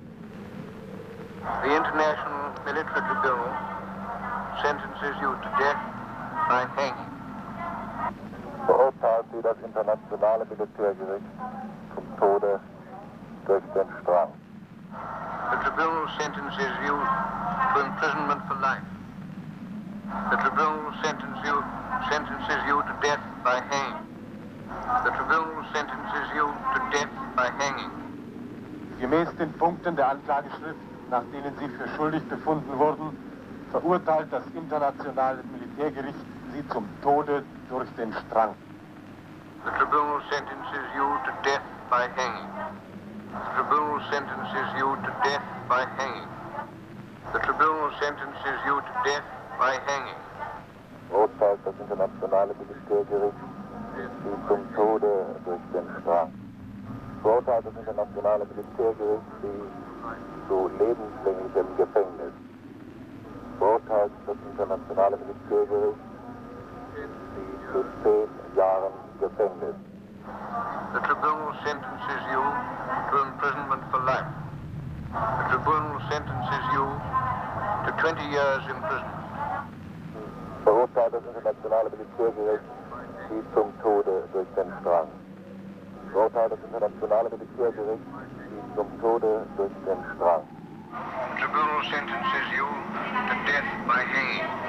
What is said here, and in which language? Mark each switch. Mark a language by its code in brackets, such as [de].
[en] The International Military Tribunal sentences you to death by hanging. [de] Verurteilt sie das internationale Militärgericht zum Tode durch den Strang. [en] The tribunal sentences you to imprisonment for life. The tribunal sentences you to death by hanging. The tribunal sentences you to death by hanging. [de] Gemäß den Punkten der Anklageschrift, nach denen Sie für schuldig befunden wurden, verurteilt das internationale Militärgericht Sie zum Tode durch den Strang. [en] The tribunal sentences you to death by hanging. The tribunal sentences you to death by hanging. The tribunal sentences you to death by hanging. [de] Urteilt das internationale Militärgericht Sie zum Tode durch den Strang. Urteilt das internationale Militärgericht Sie zu lebenslänglichem Gefängnis. Urteilt das internationale Militärgericht Sie zu 10 Jahren Gefängnis. [en] The tribunal sentences you to imprisonment for life. The tribunal sentences you to 20 years imprisonment. [de] Verurteilt das internationale Militärgericht Sie zum Tode durch den Strang. Verurteilt das internationale Militärgericht Sie zum Tode durch den Strang. [en] The tribunal sentences you to death by hanging.